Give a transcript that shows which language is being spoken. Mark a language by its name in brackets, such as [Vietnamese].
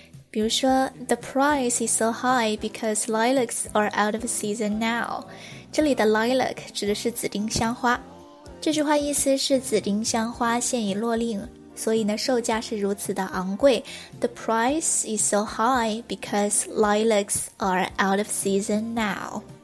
[Chinese] 比如说 [English] The price is so high because lilacs are out of season now. [Chinese] 这里的 lilac 指的是紫丁香花，这句话意思是紫丁香花现已落令，所以呢售价是如此的昂贵。 [English] The price is so high because lilacs are out of season now.